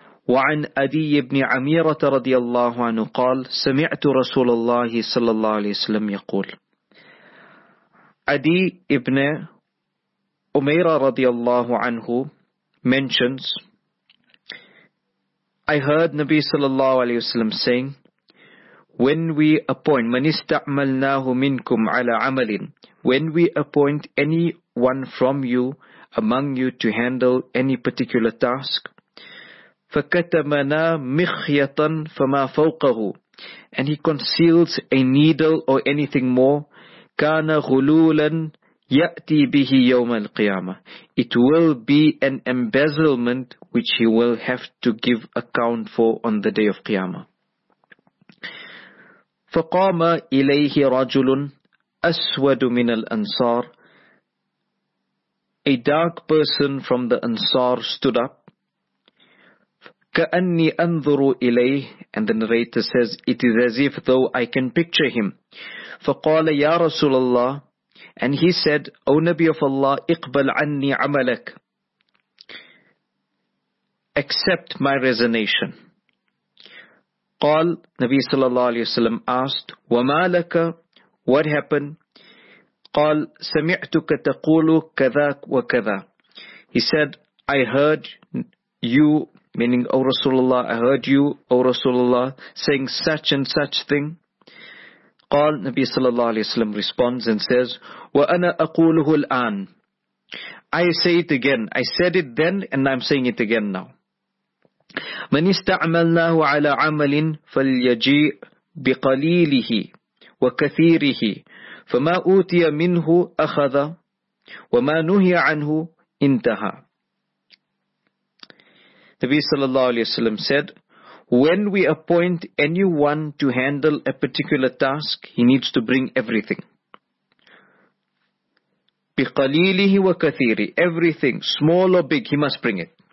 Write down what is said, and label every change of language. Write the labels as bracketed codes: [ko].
[ar] وَعَنْ أَدِي ابْنِ عَمِيرَةَ رَضِيَ اللَّهُ عَنُهُ قَالْ سَمِعْتُ رَسُولَ اللَّهِ صَلَى اللَّهُ عَلَيْهِ وَسَلَمْ يَقُولْ [en] Adi ibn Umayra رَضِيَ اللَّهُ عَنْهُ mentions, I heard Nabi sallallahu alayhi wa sallam saying, when we appoint, [ar] مَنْ اسْتَعْمَلْنَاهُ مِنْكُمْ عَلَىٰ عَمَلٍ [en] When we appoint anyone from you, among you, to handle any particular task, [ar] فكتمنا مخيطا فما فوقه. [en] And he conceals a needle or anything more. [ar] كان غلولا يأتي به يوم القيامة. [en] It will be an embezzlement which he will have to give account for on the day of قيامة. [ar] فقام إليه رجل أسود من الأنصار. [en] A dark person from the Ansar stood up. [ar] كأني أنظر إليه. [en] And the narrator says, it is as if though I can picture him. [ar] فقال يا رسول الله. [en] And he said, O Nabi of Allah, [ar] اقبل عني عملك. [en] Accept my resignation. [ar] قال نبي صلى الله عليه وسلم [en] asked, [ar] وما لك؟ [en] What happened? [ar] قال سمعتك تقول كذا وكذا. [en] He said, I heard you, meaning O Rasulullah, I heard you, O Rasulullah, saying such and such thing. [ar] قال نبي صلى الله عليه وسلم [en] responds and says, [ar] وأنا أقوله الآن. [en] I say it again. I said it then and I'm saying it again now. [ar] من استعملناه على عمل فليجيء بقليله وكثيره. فما أوتي منه أخذ وما نهي عنه انتهى. [en] Nabi sallallahu alayhi wa sallam said, when we appoint anyone to handle a particular task, he needs to bring everything. [ar] بقليله وكثيره, [en] everything, small or big, he must bring it.